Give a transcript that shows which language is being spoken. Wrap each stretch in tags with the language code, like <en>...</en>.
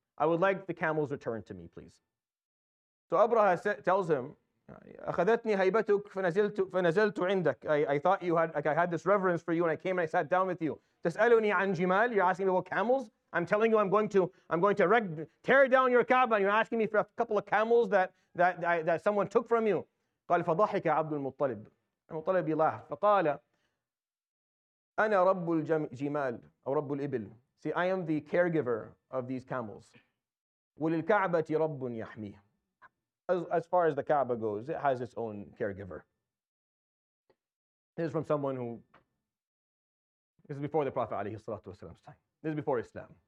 <en>I would like the camels returned to me, please. So Abraha tells him,</en> <ar>أخذتني هيبتك فنزلت عندك.</ar> <en>I thought you had, like, I had this reverence for you, and I came and I sat down with you.</en> <ar>تسألني عن جمال.</ar> <en>You're asking me about camels. I'm telling you, I'm going to tear down your Kaaba, and you're asking me for a couple of camels that someone took from you.</en> <ar>قال فضحك عبد المطلب. المطلب يلاح. فقال أنا رب الجمال أو رب الإبل.</ar> <en>See, I am the caregiver of these camels.</en> <ar>وللكعبة رب يحميه.</ar> <en>As far as the Kaaba goes, it has its own caregiver. This is from someone who, this is before the Prophet alayhi salatu wasalam's time. This is before Islam.</en>